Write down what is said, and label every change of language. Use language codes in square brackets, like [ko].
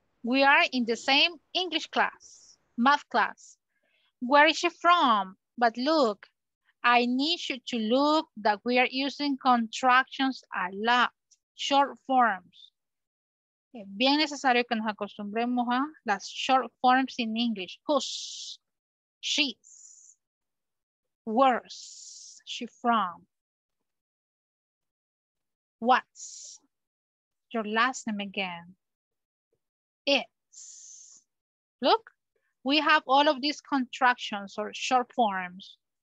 [en] We are in the same English class, math class. Where is she from? But look, I need you to look that we are using contractions a lot, short forms. [es] Es bien necesario que nos acostumbremos a las [en] short forms in English. Whose, she's, where's, she from, what's, your last name again, it's. Look, we have all of these contractions or short forms.